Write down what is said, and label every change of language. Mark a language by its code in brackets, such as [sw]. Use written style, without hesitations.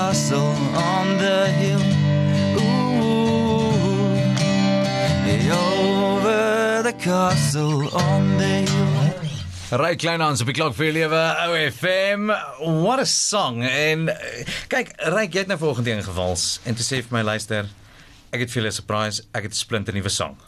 [en] On the hill, ooh, over the castle on the hill. [af] Ryk Kleinhans op die klok vir lewe, OFM. [en] What a song. [af] En kyk, Ryk, jy het nou volgende een gevals. En toe sê vir my, luister, ek het vir julle 'n surprise, ek het 'n splinter nuwe song.